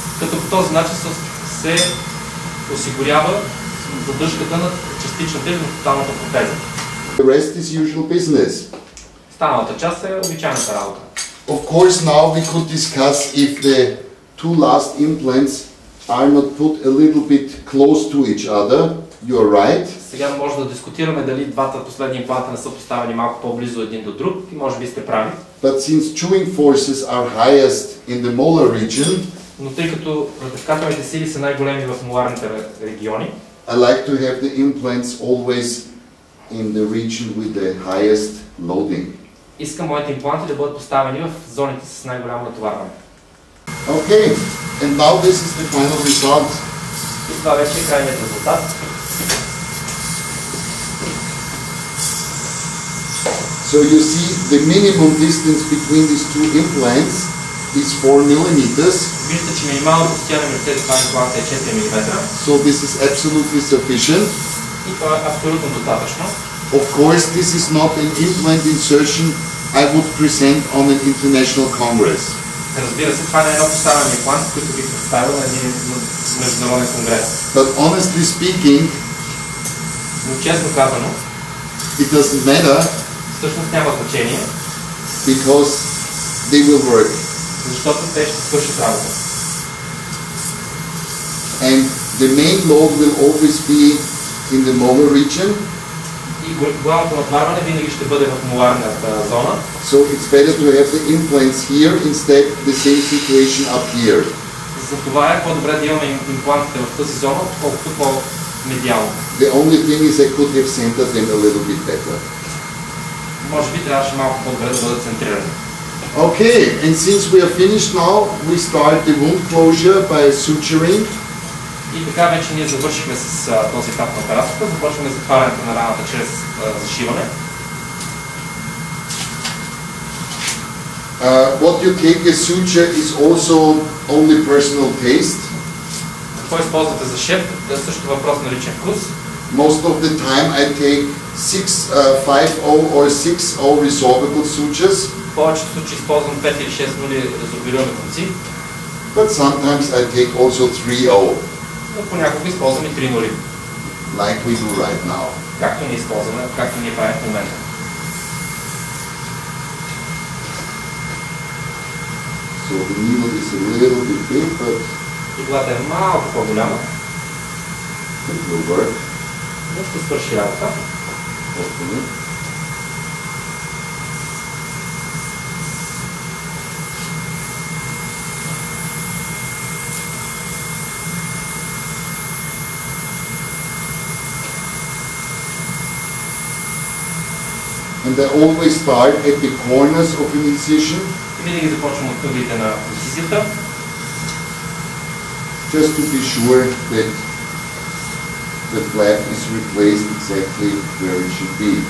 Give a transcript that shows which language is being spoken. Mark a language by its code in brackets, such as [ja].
[bg] Като по този начин се осигурява задръжката на частичната или на тоталната протеза. [en] The rest is usual business. [bg] Останалата част е обичайната работа. [en] Of course now we could discuss if the two last implants are not put a little bit close to each other. You are right. [bg] Сега може да дискутираме дали двата последни импланта не са поставени малко по-близо един до друг и може би сте прави. [en] But since chewing forces are highest in the molar region, [bg] но тъй като натъскателните сили са най-големи в моларните региони, [en] I like to have the implants always in the region with the highest loading. [bg] Искам моите импланти да бъдат поставени в зоните с най-голямо натоварване. [en] Okay, and now this is the final result. [bg] И това вече е крайният резултат. [en] So you see the minimum distance between these two implants is 4 millimeters. [bg] Виждате, че минималното разстояние между тези два импланта е 4 мм. [en] So this is absolutely sufficient. [bg] И това е абсолютно достатъчно. [en] Of course, this is not an implant insertion I would present on an international congress. [bg] Разбира се, това не е едно поставяне план, който би представил на един международен конгрес. [en] But honestly speaking, [bg] но честно казано, [en] it doesn't matter, [bg] всъщност няма значение, [en] because they will work. [bg] Защото те ще свършат работа. [en] And the main load will always be in the molar region. [bg] И главното натоварване винаги ще бъде в моларната зона. [en] So it's better to have the implants here instead the same situation up here. [bg] Затова е по-добре да имаме имплантите в тази зона, отколкото по-медиално. [en] The only thing is I could have centered them a little bit better. [bg] Може би трябваше малко по-добре да бъдат центрирани. [en] Okay, and since we are finished now, we start the wound closure by suturing. [bg] И така вече ние завършихме с този етап на операцията, започваме затварянето на раната чрез зашиване. [en] What you take as suture is also only personal taste. [bg] Какво използвате за шеф? Да, също въпрос на личен вкус. [en] Most of the time I take 5-0 or 6-0 resorbable sutures. [bg] Повечето случаи използвам 5 или 6 нули резорбируеми конци. [en] But sometimes I take also 3-0. [bg] Но понякога използвам и 3 нули. [en] Like we do right now. [bg] Както ние използваме, както ние правим в момента. [en] So the needle is a little bit big, but [bg] иглата е малко по-голяма. [en] It will work. [bg] Но ще свърши работа. [en] Hopefully. And they always start at the corners of an incision. [bg] Винаги започвам от тъглите на инцизията. [en] Just to be sure that the flap is replaced exactly where it should be.